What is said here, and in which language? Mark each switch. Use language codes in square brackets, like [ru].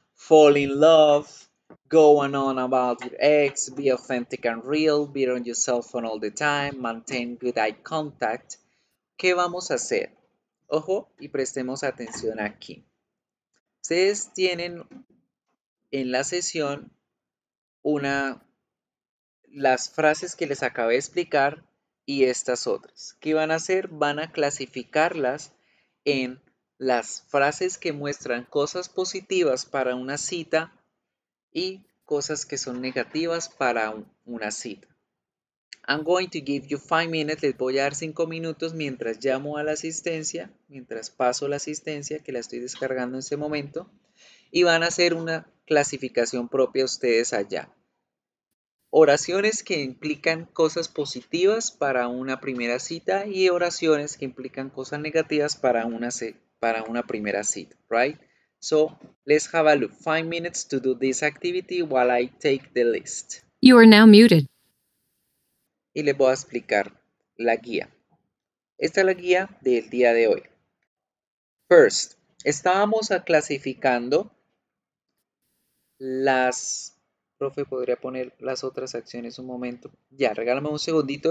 [en] Fall in love, going on about your ex, be authentic and real, be on your cell phone all the time, maintain good eye contact. [es] ¿Qué vamos a hacer? Ojo y prestemos atención aquí. Ustedes tienen en la sesión las frases que les acabé de explicar y estas otras. ¿Qué van a hacer? Van a clasificarlas en las frases que muestran cosas positivas para una cita y cosas que son negativas para una cita. [en] I'm going to give you 5 minutes, [es] les voy a dar 5 minutos mientras llamo a la asistencia, mientras paso la asistencia que la estoy descargando en este momento, y van a hacer una clasificación propia ustedes allá. Oraciones que implican cosas positivas para una primera cita y oraciones que implican cosas negativas para una primera cita, [en] right? So, let's have a look. 5 minutes to do this activity while I take the list. You are now muted. [es] Y les voy a explicar la guía. Esta es la guía del día de hoy. First, estábamos clasificando las... Profe, ¿podría poner las otras acciones un momento? Ya, regálame un segundito.